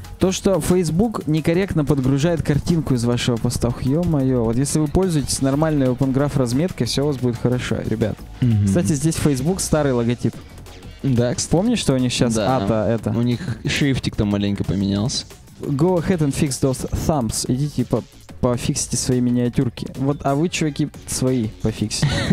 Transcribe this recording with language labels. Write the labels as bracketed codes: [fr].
[ru] То, что Facebook некорректно подгружает картинку из вашего поста. Ох, ё-моё. Вот если вы пользуетесь нормальной Open Graph разметкой, все у вас будет хорошо, ребят. Угу. Кстати, здесь Facebook старый логотип. Да. Помнишь, что у них сейчас ата это? У них шрифтик там маленько поменялся. [en] Go ahead and fix those thumbs. [ru] Иди типа... пофиксите свои миниатюрки. Вот, а вы, чуваки, свои пофиксите.